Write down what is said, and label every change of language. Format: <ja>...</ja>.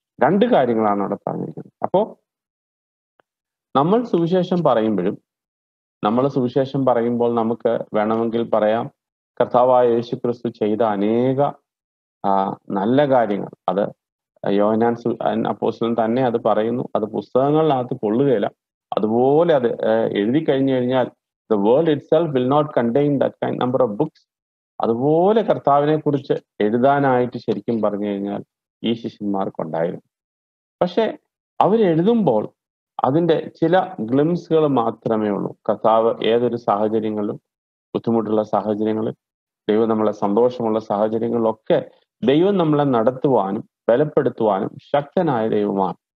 <ml>രണ്ട് കാര്യങ്ങളാണ് അവിടെ പറഞ്ഞിരിക്കുന്നത്. അപ്പോ നമ്മൾ സുവിശേഷം പറയുമ്പോഴും നമ്മൾ സുവിശേഷം പറയുമ്പോൾ നമുക്ക് വേണമെങ്കിൽ പറയാം കർത്താവായ യേശു ക്രിസ്തു ചെയ്ത അനേക നല്ല കാര്യങ്ങൾ. അത് യോഹന്നാൻ അപ്പോസ്തലൻ തന്നെ അത് പറയുന്നു. അത് പുസ്തകങ്ങളിനകത്ത് കൊള്ളുകയില്ല. അതുപോലെ അത് എഴുതി കഴിഞ്ഞു കഴിഞ്ഞാൽ</ml> <en>The world itself will not contain that kind number of books.</en> <ml>അതുപോലെ കർത്താവിനെ കുറിച്ച് എഴുതാനായിട്ട് ശരിക്കും പറഞ്ഞു കഴിഞ്ഞാൽ ഈ ശിഷ്യന്മാർക്കുണ്ടായിരുന്നു. പക്ഷെ അവരെഴുതുമ്പോൾ അതിൻ്റെ ചില ഗ്ലിംസുകൾ മാത്രമേ ഉള്ളൂ. കർത്താവ് ഏതൊരു സാഹചര്യങ്ങളിലും, ബുദ്ധിമുട്ടുള്ള സാഹചര്യങ്ങളിൽ, ദൈവം നമ്മളെ സന്തോഷമുള്ള സാഹചര്യങ്ങളിലൊക്കെ ദൈവം നമ്മളെ നടത്തുവാനും ബലപ്പെടുത്തുവാനും ശക്തനായ ദൈവമാണ്.</ml>